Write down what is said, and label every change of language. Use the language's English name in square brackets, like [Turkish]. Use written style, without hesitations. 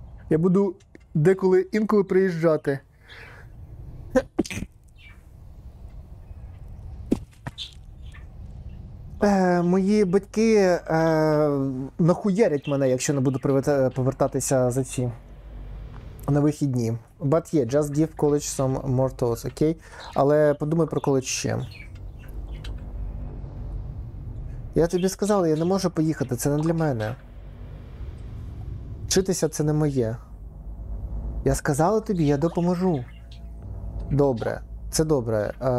[Ukrainian] Я буду деколи, інколи приїжджати. Мої батьки нахуярять мене, якщо не буду повертатися за ці на вихідні. [English] But yeah, just give college some more thoughts, окей? [Ukrainian] Але подумай про коледж ще. Я тобі сказала, я не можу поїхати, це не для мене. Вчитися це не моє. Я сказала тобі, я допоможу. Добре, це добре.